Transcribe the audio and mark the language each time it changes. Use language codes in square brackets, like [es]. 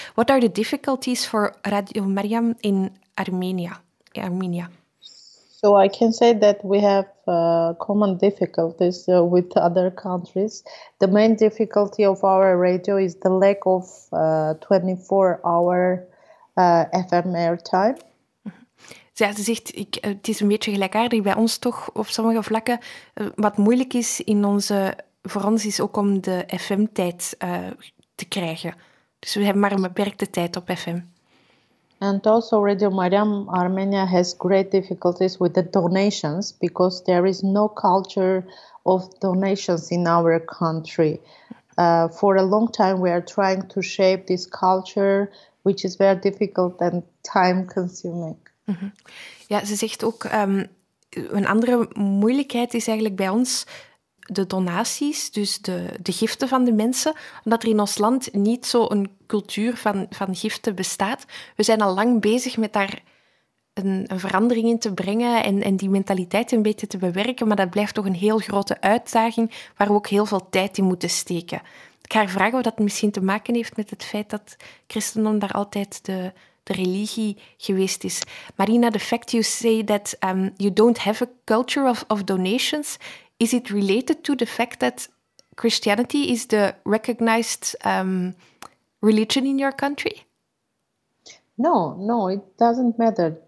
[en] What are the difficulties for Radio Mariam in Armenia? So I can say that we have common difficulties with other countries. The main difficulty of our radio is the lack of 24-hour FM airtime. [nl] Ja, ze zegt, het is een beetje gelijkaardig bij ons toch, op sommige vlakken. Wat moeilijk is in onze, voor ons is ook om de FM-tijd te krijgen. Dus we hebben maar een beperkte tijd op FM. [en] And also Radio Mariam Armenia has great difficulties with the donations because there is no culture of donations in our country. For a long time we are trying to shape this culture, which is very difficult and time-consuming. [nl] Ja, ze zegt ook, een andere moeilijkheid is eigenlijk bij ons de donaties, dus de giften van de mensen, omdat er in ons land niet zo een cultuur van giften bestaat. We zijn al lang bezig met daar een verandering in te brengen en die mentaliteit een beetje te bewerken, maar dat blijft toch een heel grote uitdaging waar we ook heel veel tijd in moeten steken. Ik ga haar vragen of dat misschien te maken heeft met het feit dat christendom daar altijd de religie geweest is. [en] Marina, the fact you say that you don't have a culture of donations, is it related to the fact that Christianity is the recognized religion in your country? No, it doesn't matter.